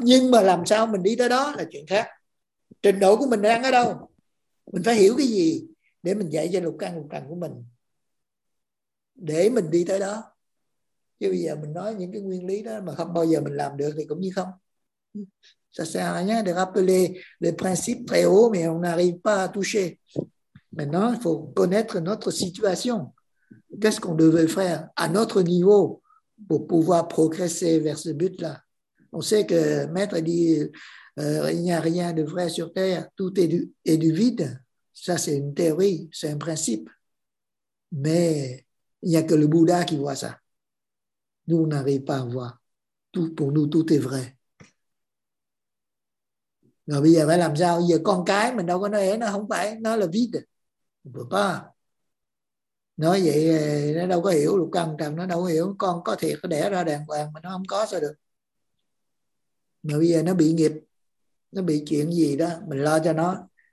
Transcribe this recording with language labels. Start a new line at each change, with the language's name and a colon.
Vietnamese: Nhưng mà làm sao mình đi tới đó là chuyện khác. Trình độ của mình đang ở đâu? Mình phải hiểu cái gì để mình dạy cho lục căn của mình. Để mình đi tới đó. Chứ bây giờ mình nói những cái nguyên lý đó mà không bao giờ mình làm được thì cũng như không.
French: Ça sert à rien de rappeler les principes très hauts mais on n'arrive pas à toucher. Maintenant, il faut connaître notre situation. Qu'est-ce qu'on devait faire à notre niveau pour pouvoir progresser vers ce but-là? On sait que Maître dit il n'y a rien de vrai sur Terre, tout est du vide. Ça, c'est une théorie, c'est un principe. Mais il n'y a que le Bouddha qui voit ça. nous on n'arrive pas à voir. Tout, pour nous, tout est vrai.
Vietnamese: Rồi bây giờ phải làm sao? Giờ con cái mình đâu có nói nó không phải, nó là vide. Vừa pa. Nói vậy nó đâu có hiểu, lục căn trần nó đâu có hiểu. Con có thiệt, nó đẻ ra đàng hoàng mà nó không có sao được. Mà bây giờ nó bị nghiệp, nó bị chuyện gì đó, mình lo cho nó.